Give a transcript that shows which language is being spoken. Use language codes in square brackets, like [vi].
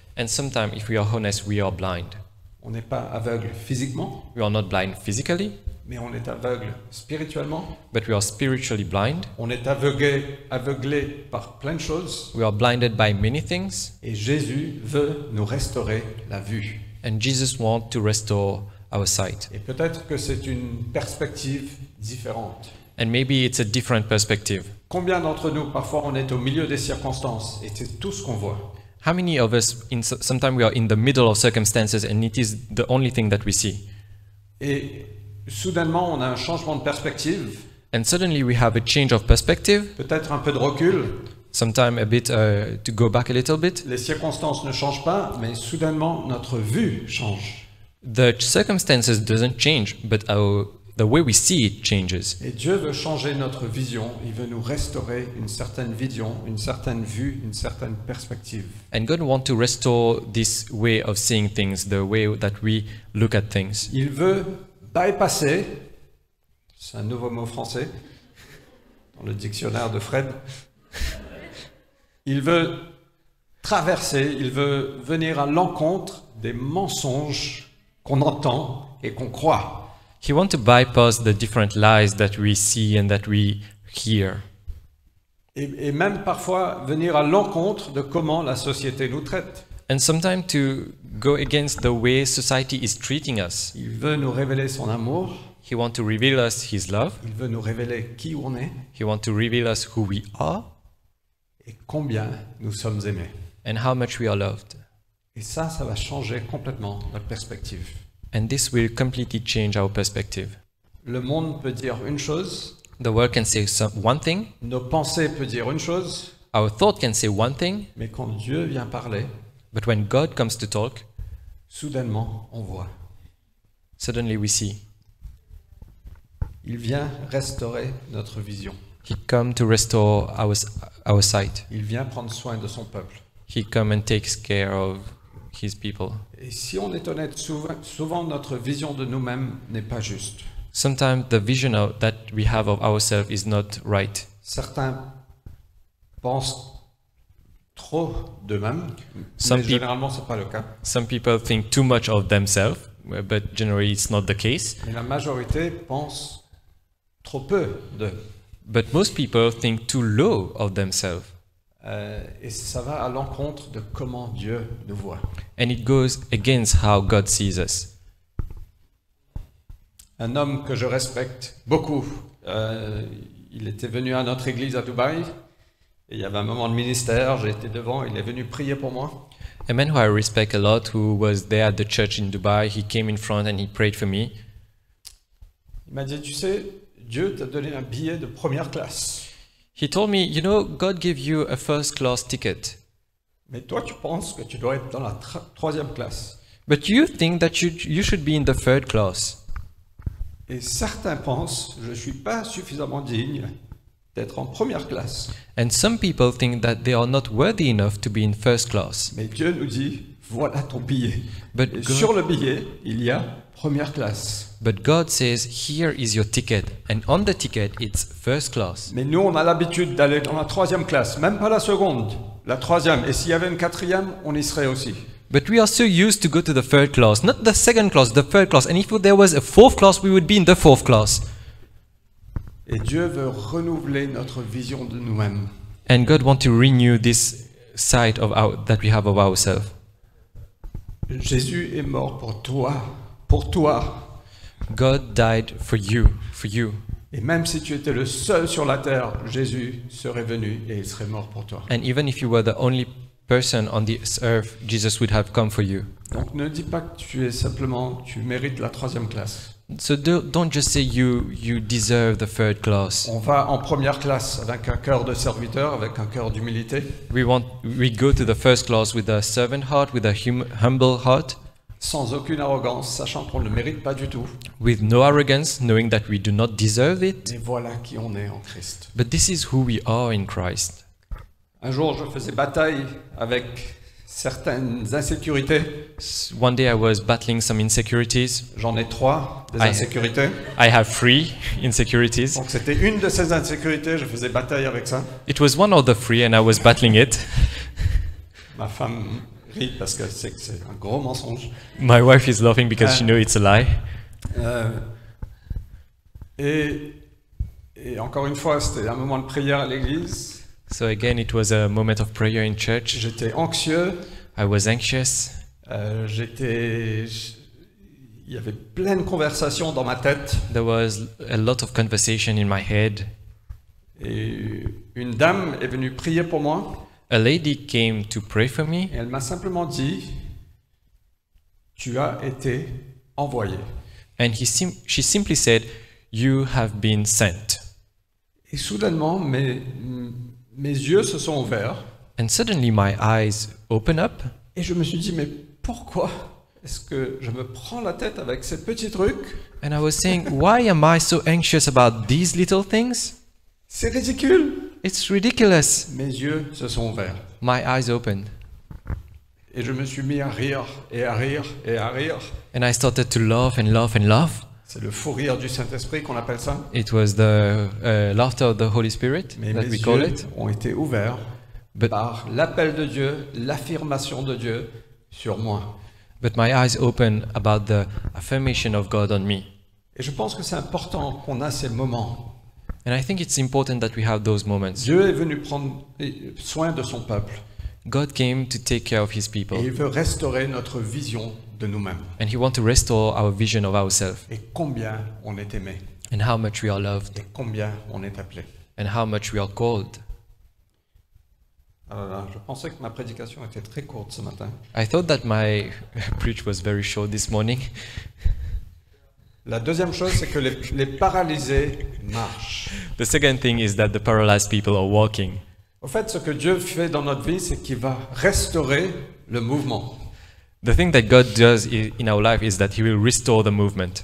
[en] And sometimes, if we are honest, we are blind. [fr] On n'est pas aveugle physiquement. [en] We are not blind physically. [fr] Mais on est aveugle spirituellement. [en] But we are spiritually blind. [fr] On est aveuglé par plein de choses. [en] We are blinded by many things. [fr] Et Jésus veut nous restaurer la vue. [en] And Jesus wants to restore our sight. [fr] Et peut-être que c'est une perspective différente. [en] And maybe it's a different perspective. [fr] Combien d'entre nous, parfois, on est au milieu des circonstances et c'est tout ce qu'on voit. [en] How many of us, sometimes we are in the middle of circumstances and it is the only thing that we see. [fr] Et soudainement, on a un changement de perspective. [en] And suddenly we have a change of perspective. [fr] Peut-être un peu de recul. [en] Sometimes a bit to go back a little bit. [fr] Les circonstances ne changent pas, mais soudainement notre vue change. [en] The circumstances doesn't change, but the way we see it changes. [fr] Et Dieu veut changer notre vision. Il veut nous restaurer une certaine vision, une certaine vue, une certaine perspective. [en] And God wants to restore this way of seeing things, the way that we look at things. [fr] Il veut bypasser, c'est un nouveau mot français dans le dictionnaire de Fred. Il veut traverser, il veut venir à l'encontre des mensonges qu'on entend et qu'on croit. [en] He wants to bypass the different lies that we see and that we hear. [fr] Et même parfois venir à l'encontre de comment la société nous traite. [en] And sometimes to go against the way society is treating us. [fr] Il veut nous révéler son amour. [en] He wants to reveal us his love. [fr] Il veut nous révéler qui on est. [en] He wants to reveal us who we are. [fr] Et combien nous sommes aimés. [en] And how much we are loved. [fr] Et ça va changer complètement notre perspective. [en] And this will completely change our perspective. [fr] Le monde peut dire une chose. [en] The world can say one thing. [fr] Nos pensées peuvent dire une chose. [en] Our thought can say one thing. [fr] Mais quand Dieu vient parler, [en] but when God comes to talk, [fr] soudainement on voit. [en] Suddenly we see. [fr] Il vient restaurer notre vision. [en] He comes to restore our sight. [fr] Il vient prendre soin de son peuple. [en] He comes and takes care of his people. [fr] Et si on est honnête, souvent notre vision de nous-mêmes n'est pas juste. [en] Sometimes the vision that we have of ourselves is not right. [fr] Certains pensent trop d'eux-mêmes, mais généralement c'est pas le cas. [en] Some people think too much of themselves, but generally it's not the case. [fr] Mais la majorité pense trop peu d'eux. [en] But most people think too low of themselves. [fr] Et ça va à l'encontre de comment Dieu nous voit. [en] And it goes against how God sees us. [fr] Un homme que je respecte beaucoup, il était venu à notre église à Dubaï. Et il y avait un moment de ministère, j'étais devant, il est venu prier pour moi. [en] A man who I respect a lot, who was there at the church in Dubai, he came in front and he prayed for me. [fr] Il m'a dit, tu sais, Dieu t'a donné un billet de première classe. [en] He told me, you know, God gave you a first class ticket. [fr] Mais toi, tu penses que tu dois être dans la troisième classe. [en] But you think that you should be in the third class. [fr] Et certains pensent, je suis pas suffisamment digne d'être en première classe. [en] And some people think that they are not worthy enough to be in first class. [fr] Mais Dieu nous dit, voilà ton billet. [en] But God, [fr] sur le billet, il y a première classe. [en] But God says, here is your ticket. And on the ticket, it's first class. [fr] Mais nous, on a l'habitude d'aller dans la troisième classe, même pas la seconde, la troisième. Et s'il y avait une quatrième, on y serait aussi. [en] But we are so used to go to the third class, not the second class, the third class. And if there was a fourth class, we would be in the fourth class. [fr] Et Dieu veut renouveler notre vision de nous-mêmes. [en] And God wants to renew this sight of that we have of ourselves. [fr] Jésus est mort pour toi, pour toi. [en] God died for you, for you. [fr] Et même si tu étais le seul sur la terre, Jésus serait venu et il serait mort pour toi. [en] And even if you were the only person on this earth, Jesus would have come for you. [fr] Donc ne dis pas que tu mérites la troisième classe. [en] So don't just say you deserve the third class. [fr] On va en première classe avec un cœur de serviteur, avec un cœur d'humilité. [en] We go to the first class with a servant heart, with a humble heart. [fr] Sans aucune arrogance, sachant qu'on ne le mérite pas du tout. [en] With no arrogance, knowing that we do not deserve it. [fr] Et voilà qui on est en Christ. [en] But this is who we are in Christ. [fr] Un jour, je faisais bataille avec certaines insécurités. [en] One day, I was battling some insecurities. [fr] J'en ai trois des insécurités. [en] I have three insecurities. [fr] Donc, c'était une de ces insécurités. Je faisais bataille avec ça. [en] It was one of the three, and I was battling it. [fr] Ma femme rit parce qu'elle sait que c'est un gros mensonge. [en] My wife is laughing because she knows it's a lie. [fr] Et encore une fois, c'était un moment de prière à l'église. [en] So again, it was a moment of prayer in church. [fr] J'étais anxieux. [en] I was anxious. [fr] Il y avait plein de conversations dans ma tête. [en] There was a lot of conversation in my head. [fr] Et une dame est venue prier pour moi. [en] A lady came to pray for me. [fr] Elle m'a simplement dit, tu as été envoyé. [en] And she simply said, you have been sent. [fr] Et soudainement, mes yeux se sont ouverts. [en] And suddenly my eyes open up. [fr] Et je me suis dit, mais pourquoi est-ce que je me prends la tête avec ces petits trucs? [en] And I was saying, why am I so anxious about these little things? [fr] C'est ridicule. [en] It's ridiculous. [fr] Mes yeux se sont ouverts. [en] My eyes opened. [fr] Et je me suis mis à rire et à rire et à rire. [en] And I started to laugh and laugh and laugh. [fr] C'est le fou rire du Saint-Esprit qu'on appelle ça. [en] It was the laughter of the Holy Spirit [fr] Mais [en] that [fr] mes [en] we [fr] yeux [en] call it. [fr] Ont été ouverts [en] But [fr] par l'appel de Dieu, l'affirmation de Dieu sur moi. [en] But my eyes open about the affirmation of God on me. [fr] Et je pense que c'est important qu'on a ces moments. [en] And I think it's important that we have those moments. [fr] Dieu est venu prendre soin de son peuple. [en] God came to take care of his people. [fr] Et il veut restaurer notre vision de nous-mêmes. [en] And he wants to restore our vision of ourselves. [fr] Et combien on est aimé. [en] And how much we are loved. [fr] Et combien on est appelé. [en] And how much we are called. [fr] Je pensais que ma prédication était très courte ce matin. [en] I thought that my preach was very short this morning. [fr] La deuxième chose, c'est que les paralysés marchent. [en] The second thing is that the paralyzed people are walking. [fr] Au fait, ce que Dieu fait dans notre vie, c'est qu'il va restaurer le mouvement. [en] The thing that God does in our life is that He will restore the movement.